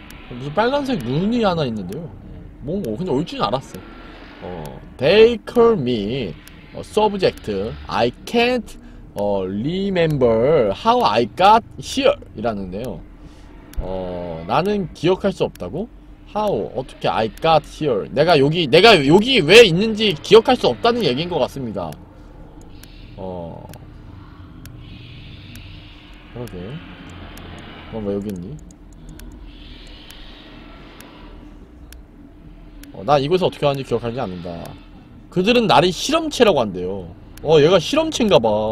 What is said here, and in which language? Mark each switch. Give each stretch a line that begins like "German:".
Korean: 무슨 빨간색 눈이 하나 있는데요. 뭔가, 근데 올 줄은 알았어.
English: They call me a subject. I can't remember how I got here.
Korean: 이라는데요. 나는 기억할 수 없다고?
English: How?
Korean: 어떻게
English: I got here?
Korean: 내가 여기 왜 있는지 기억할 수 없다는 얘기인 것 같습니다. 그러게. 넌 왜 여기 있니? 난 이곳에서 어떻게 하는지 기억하지 않는다. 그들은 나를 실험체라고 한대요. 얘가 실험체인가봐.